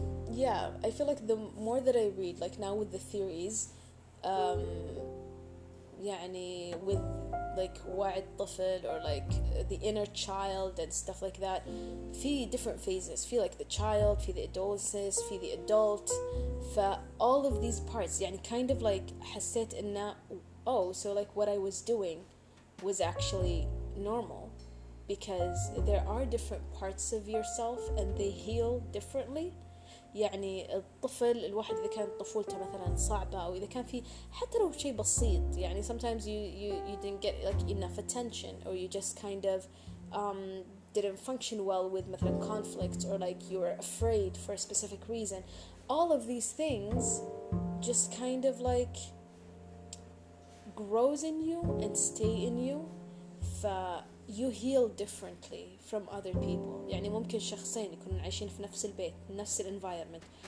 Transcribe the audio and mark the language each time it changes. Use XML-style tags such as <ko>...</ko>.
<en>Yeah, I feel like the more that I read, like now with the theories, يعني with like</en> <ar>وعي الطفل</ar> <en>or like the inner child and stuff like that, في different phases, في like the child, في the adolescence, في the adult, فall of these parts, يعني kind of like</en> <ar>حسيت إن,</ar> <en>oh, so like what I was doing was actually normal. Because there are different parts of yourself and they heal differently.</en> <ar>يعني الطفل الواحد إذا كان طفولته مثلاً صعبة أو إذا كان في حتى لو شيء بسيط, يعني</ar> <en>sometimes you didn't get like enough attention or you just kind of didn't function well with</en> <ar>مثلا</ar> <en>conflict, or like you were afraid for a specific reason. All of these things just kind of like grows in you and stay in you. You heal differently from other people.</en> <ar>يعني ممكن شخصين يكونوا عايشين في نفس البيت, نفس ال environment.</ar>